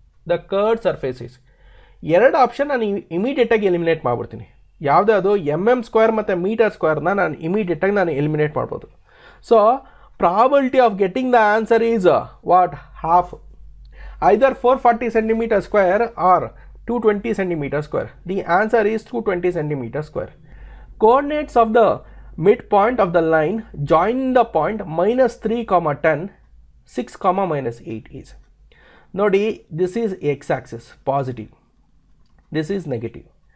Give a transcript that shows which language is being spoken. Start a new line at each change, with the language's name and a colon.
English: The curved surface is.
Kannada: ಎರಡು option ನಾನು ಇಮಿಡಿಯೇಟಾಗಿ ಎಲಿಮಿನೇಟ್ ಮಾಡ್ಬಿಡ್ತೀನಿ. ಯಾವುದೇ ಅದು mm ಸ್ಕ್ವೇರ್ ಮತ್ತು ಮೀಟರ್ ಸ್ಕ್ವೇರ್ನ ನಾನು ಇಮಿಡಿಯೇಟಾಗಿ ನಾನು ಎಲಿಮಿನೇಟ್ ಮಾಡ್ಬೋದು.
English: So probability of getting the answer is what? Half. Either 440 centimeters square or 220 centimeters square. The answer is 220 centimeters square. Coordinates of the mid point of the line join the point -3, 10, 6, -8 is? ನೋಡಿ, this is x axis, positive, this is negative.